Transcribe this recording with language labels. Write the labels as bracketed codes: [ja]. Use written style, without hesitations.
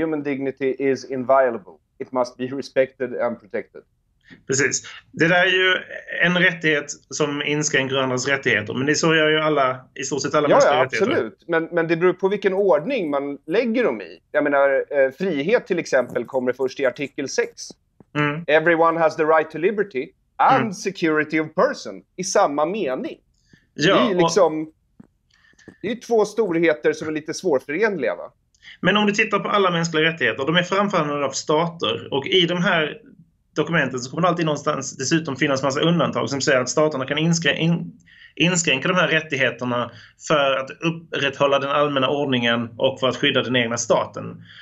[en] Human dignity is inviolable. It must be respected and protected. [sv] Precis. Det där är ju en rättighet som inskränker andras rättigheter. Men det så gör ju alla, i stort sett alla mänskliga rättigheter. Ja, absolut. Men det beror på vilken ordning man lägger dem i. Jag menar, frihet till exempel kommer först i artikel 6. Mm. [en] Everyone has the right to liberty and security of person. [sv] I samma mening. Ja, det är liksom... Det är två storheter som är lite svårförenliga, va? Men om du tittar på alla mänskliga rättigheter, de är framförhandlade av stater. Och i de här dokumenten så kommer det alltid någonstans dessutom finnas massa undantag som säger att staterna kan inskränka de här rättigheterna för att upprätthålla den allmänna ordningen och för att skydda den egna staten.